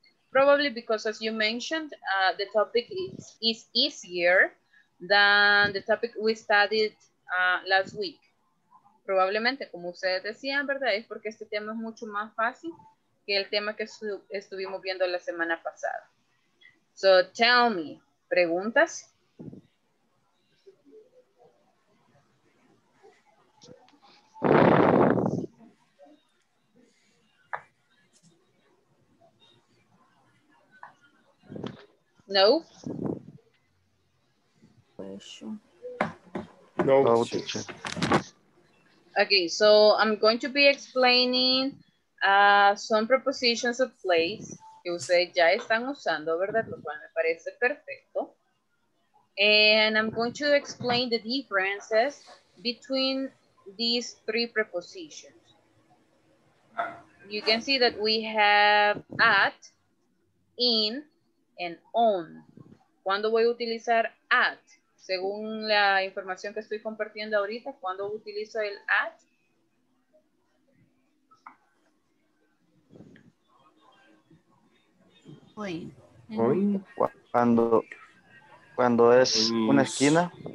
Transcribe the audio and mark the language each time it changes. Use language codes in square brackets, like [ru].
[en] Probably because, as you mentioned, the topic is easier than the topic we studied last week. [es] Probablemente, como ustedes decían, ¿verdad? Es porque este tema es mucho más fácil que el tema que estuvimos viendo la semana pasada. [en] So, tell me, [es] ¿preguntas? [en] No. No. No, teacher. Okay, so I'm going to be explaining some prepositions of place [es] que ustedes ya están usando, ¿verdad? Lo cual me parece perfecto. [en] And I'm going to explain the differences between these three prepositions. You can see that we have at, in, and on. [es] ¿Cuándo voy a utilizar at? Según la información que estoy compartiendo ahorita, ¿cuándo utilizo el at? Hoy. ¿Cuándo es una esquina?